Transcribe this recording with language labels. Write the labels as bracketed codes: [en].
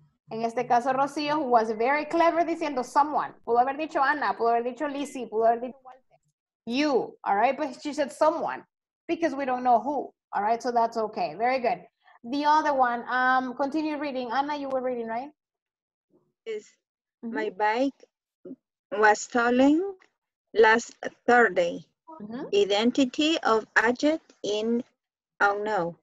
[es] En este caso, [en] Rocío, who was very clever [es] diciendo [en] someone. [es] Pudo haber dicho Ana, pudo haber dicho Lizzie, pudo haber dicho Walter. [en] You, all right? But she said someone. Because we don't know who, all right? So that's okay, very good. The other one, continue reading. Anna, you were reading, right? Yes, mm-hmm. My bike was stolen last Thursday. Mm-hmm. Identity of agent in unknown.